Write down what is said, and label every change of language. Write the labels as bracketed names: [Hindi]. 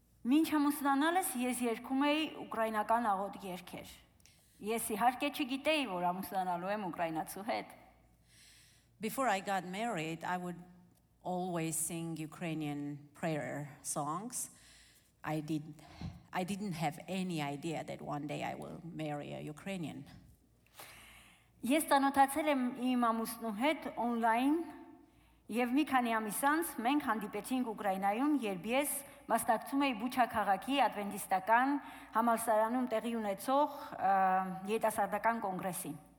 [Armenian] Մինչ ամուսնանալս ես երգում էի ուկրաինական աղոտ երգեր։ Ես իհարկե չգիտեի, որ ամուսնանալու եմ ուկրաինացու հետ։ [English] Before I got married, I would always sing Ukrainian prayer songs. I didn't have any idea that one day I will marry a Ukrainian. [Armenian] Ես ծանոթացել եմ իմ ամուսնու հետ online, եւ մի քանի ամիս անց մենք հանդիպեցինք Ուկրաինայում, երբ ես մասնակցում էի Բուչա քաղաքի ադվենտիստական համալսարանում տեղի ունեցող երիտասարդական կոնգրեսին.